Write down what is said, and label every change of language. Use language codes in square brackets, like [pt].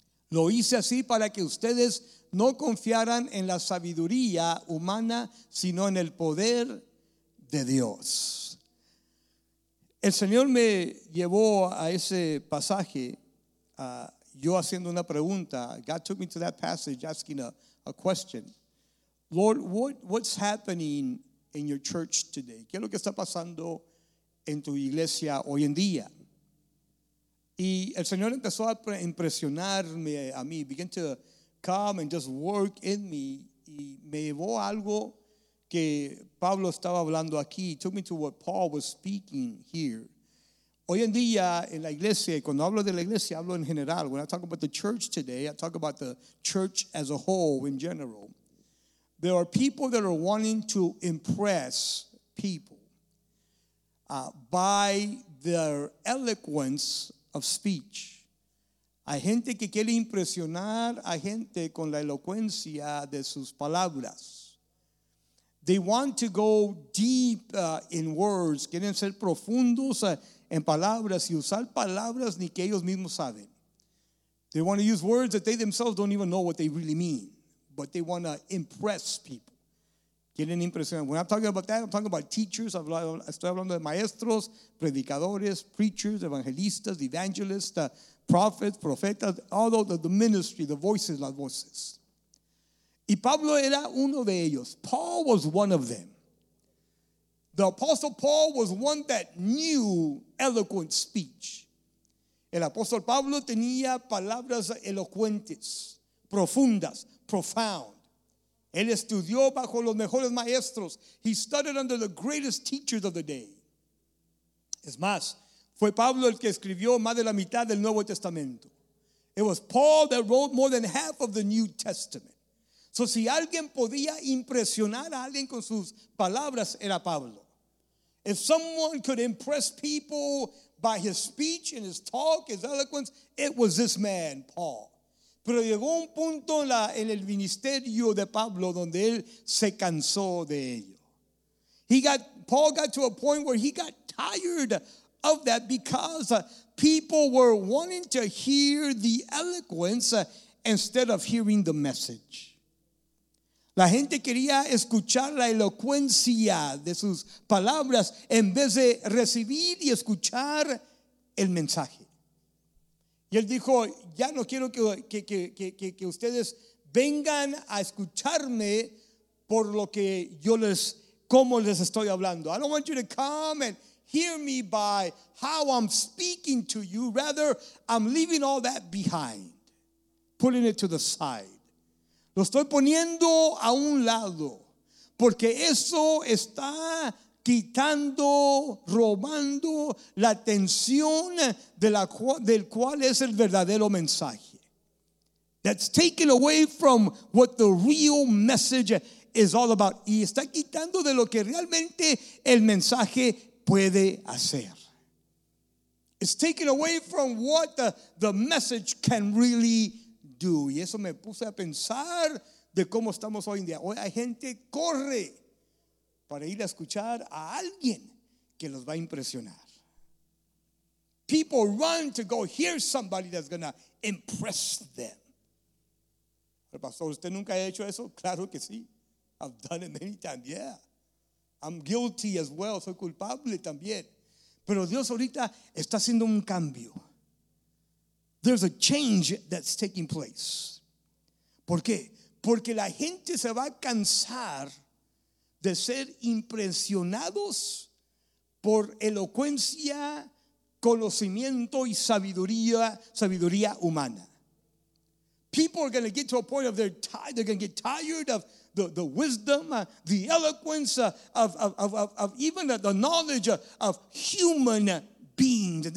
[es] Lo hice así para que ustedes no confiaran en la sabiduría humana, sino en el poder de Dios. El Señor me llevó a ese pasaje, yo haciendo una pregunta. [en] God took me to that passage asking a question. Lord, what's happening in your church today? [es] ¿Qué es lo que está pasando en tu iglesia hoy en día? Y el Señor empezó a impresionarme a mí, [en] began to come and just work in me, [es] y me llevó a algo que Pablo estaba hablando aquí. [en] He took me to what Paul was speaking here. [es] Hoy en día en la iglesia, cuando hablo de la iglesia, hablo en general. [en] When I talk about the church today, I talk about the church as a whole in general. There are people that are wanting to impress people by their eloquence of speech. [es] Hay gente que quiere impresionar a gente con la elocuencia de sus palabras. [en] They want to go deep in words. [es] Quieren ser profundos en palabras y usar palabras ni que ellos mismos saben. [en] They want to use words that they themselves don't even know what they really mean. But they want to impress people. [es] Quieren impresionar. [en] When I'm talking about that, I'm talking about teachers. [es] Estoy hablando de maestros, predicadores, preachers, evangelistas, evangelists, prophets, profetas, [en] all the ministry, the voices, [es] las voces. Y Pablo era uno de ellos. [en] Paul was one of them. The apostle Paul was one that knew eloquent speech. [es] El apóstol Pablo tenía palabras elocuentes, profundas, profound. Él estudió bajo los mejores maestros. [en] He studied under the greatest teachers of the day. [es] Es más, fue Pablo el que escribió más de la mitad del Nuevo Testamento. [en] It was Paul that wrote more than half of the New Testament. [es] So si alguien podía impresionar a alguien con sus palabras, era Pablo. [en] If someone could impress people by his speech and his talk, his eloquence, it was this man, Paul. [es] Pero llegó un punto en el ministerio de Pablo donde él se cansó de ello. [en] Paul got to a point where he got tired of that because people were wanting to hear the eloquence instead of hearing the message. [es] La gente quería escuchar la elocuencia de sus palabras en vez de recibir y escuchar el mensaje. Y él dijo, ya no quiero que ustedes vengan a escucharme por lo que cómo les estoy hablando. [en] I don't want you to come and hear me by how I'm speaking to you. Rather, I'm leaving all that behind, putting it to the side. [es] Lo estoy poniendo a un lado, porque eso está quitando, robando la atención del cual es el verdadero mensaje. [en] That's taken away from what the real message is all about. [es] Y está quitando de lo que realmente el mensaje puede hacer. [en] It's taken away from what the message can really do. [es] Y eso me puse a pensar de cómo estamos hoy en día. Hoy la gente corre para ir a escuchar a alguien que los va a impresionar. [en] People run to go hear somebody that's going to impress them. [es] El pastor, ¿usted nunca ha hecho eso? Claro que sí. [en] I've done it many times, yeah. I'm guilty as well, [es] soy culpable también. Pero Dios ahorita está haciendo un cambio. [en] There's a change that's taking place. [es] ¿Por qué? Porque la gente se va a cansar de ser impresionados por elocuencia, conocimiento y sabiduría humana. [en] People are going to get to a point of they're going to get tired of the wisdom, the eloquence of even the knowledge of human beings.